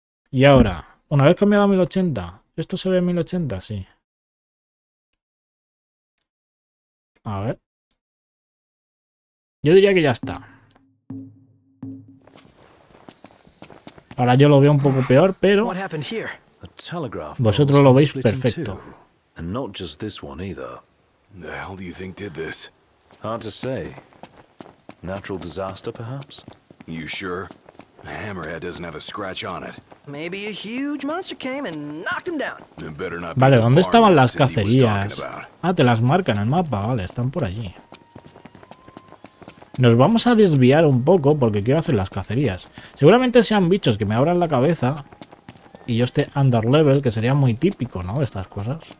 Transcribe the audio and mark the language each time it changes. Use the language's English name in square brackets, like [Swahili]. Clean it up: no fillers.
[Spanish] Y ahora, una vez cambiado a 1080, ¿esto se ve en 1080? Sí. A ver. Yo diría que ya está. Ahora yo lo veo un poco peor, pero... vosotros lo veis perfecto. [English] And not just this one either. The hell do you think did this? Hard to say. Natural disaster, perhaps? You sure? Hammerhead doesn't have a scratch on it. Maybe a huge monster came and knocked him down. [Spanish] Vale, ¿dónde estaban las cacerías? Ah, te las marcan en el mapa, vale, están por allí. Nos vamos a desviar un poco porque quiero hacer las cacerías. Seguramente sean bichos que me abran la cabeza y yo esté [English] under level, [Spanish] que sería muy típico, ¿no? Estas cosas.